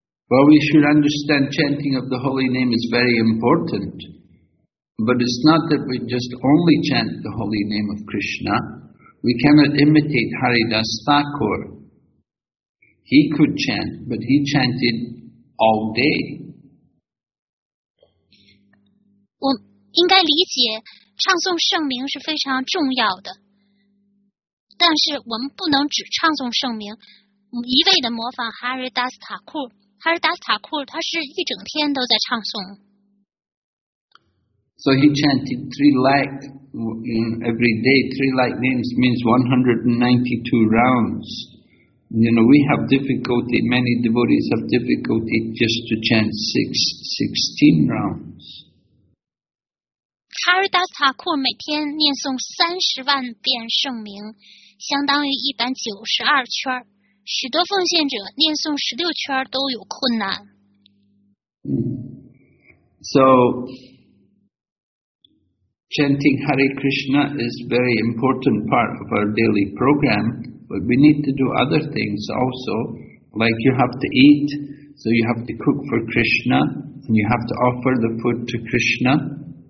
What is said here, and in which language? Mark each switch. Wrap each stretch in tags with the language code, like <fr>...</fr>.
<en>Well, we should understand chanting of the holy name is very important. But it's not that we just only chant the holy name of Krishna. We cannot imitate Haridas Thakur. He could chant, but he chanted all day.</en> <zh>我应该理解唱诵圣名是非常重要的。但是我们不能只唱诵圣名，一味地模仿 Haridas Thakur。 Haridas Thakur 他是一整天都在唱诵。</zh> <en>So he chanted 3 lakh in every day. 3 lakh names means 192 rounds. You know, we have difficulty, many devotees have difficulty just to chant 16 rounds.</en> <zh>Haridas Thakur 每天念诵300,000遍圣名，相当于192圈。许多奉献者念诵16圈都有困难。</zh> <en>So,Chanting Hare Krishna is a very important part of our daily program, but we need to do other things also, like you have to eat, so you have to cook for Krishna, and you have to offer the food to Krishna.</en>